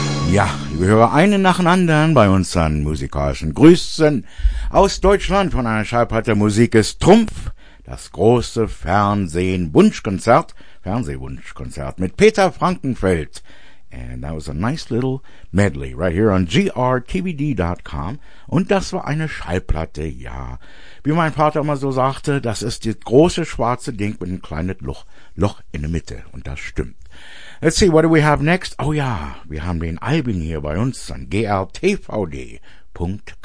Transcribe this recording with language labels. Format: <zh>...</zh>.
<de>Ja, liebe Hörer, einen nach dem anderen bei unseren musikalischen Grüßen aus Deutschland von einer Schallplatte Musik ist Trumpf, das große Fernsehwunschkonzert mit Peter Frankenfeld.</de> <en>And that was a nice little medley right here on grtvd.com.</en> <de>Und das war eine Schallplatte, ja. Wie mein Vater immer so sagte, das ist das große schwarze Ding mit einem kleinen Loch in der Mitte. Und das stimmt.</de> <en>Let's see, what do we have next?</en> <de>Oh ja, wir haben den Albin hier bei uns an grtvd.com.</de>